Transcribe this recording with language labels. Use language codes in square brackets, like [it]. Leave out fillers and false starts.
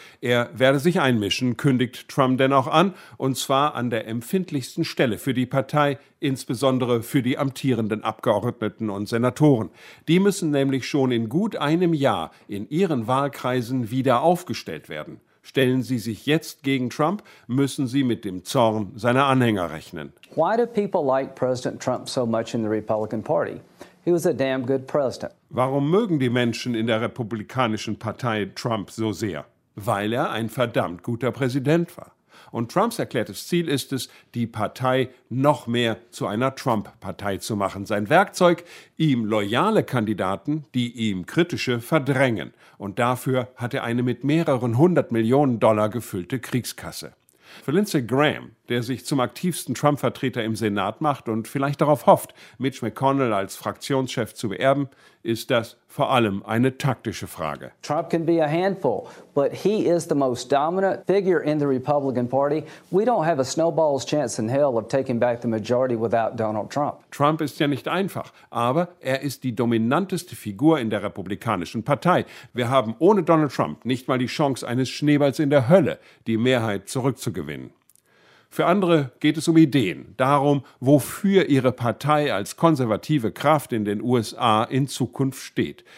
[de] Er werde sich einmischen, kündigt Trump denn auch an, und zwar an der empfindlichsten Stelle für die Partei, insbesondere für die amtierenden Abgeordneten und Senatoren. Die müssen nämlich schon in gut einem Jahr in ihren Wahlkreisen wieder aufgestellt werden. Stellen Sie sich jetzt gegen Trump, müssen Sie mit dem Zorn seiner Anhänger rechnen. [en] Why do people like President Trump so much in the Republican Party? He was a damn good president. [de] Warum mögen die Menschen in der republikanischen Partei Trump so sehr? Weil er ein verdammt guter Präsident war. Und Trumps erklärtes Ziel ist es, die Partei noch mehr zu einer Trump-Partei zu machen. Sein Werkzeug, ihm loyale Kandidaten, die ihm kritische, verdrängen. Und dafür hat er eine mit mehreren hundert Millionen Dollar gefüllte Kriegskasse. Für Lindsey Graham, der sich zum aktivsten Trump-Vertreter im Senat macht und vielleicht darauf hofft, Mitch McConnell als Fraktionschef zu beerben, ist das vor allem eine taktische Frage. [en] Trump can be a handful, but he is the most dominant figure in the Republican Party. We don't have a snowball's chance in hell of taking back the majority without Donald Trump. [de] Trump ist ja nicht einfach, aber er ist die dominanteste Figur in der republikanischen Partei. Wir haben ohne Donald Trump nicht mal die Chance eines Schneeballs in der Hölle, die Mehrheit zurückzugewinnen. Für andere geht es um Ideen, darum, wofür ihre Partei als konservative Kraft in den USA in Zukunft steht.